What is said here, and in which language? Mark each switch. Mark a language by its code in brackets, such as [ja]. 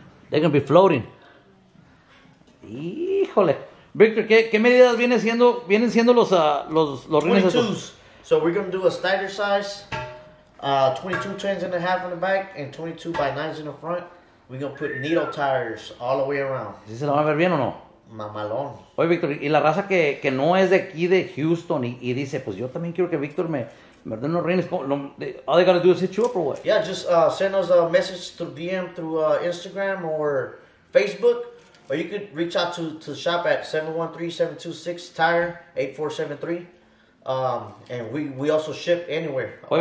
[en] They're gonna be floating. [es] ¡Híjole! Victor, ¿qué medidas vienen siendo los rines estos? 22s. [en] So we're going to do a stagger size. 22 chains and a half in the back and 22 by 9s in the front. We're going to put needle tires all the way around. [es] ¿Sí se lo van a ver bien o no? Mamalón. Oye, Victor, y la raza que no es de aquí, de Houston, y dice, pues yo también quiero que Victor me den unos rines. [en] All they got to do is hit you up or what? Yeah, just send us a message through DM, through Instagram or Facebook. Or you could reach out to the shop at 713-726-TIRE-8473. And we also ship anywhere. Wait,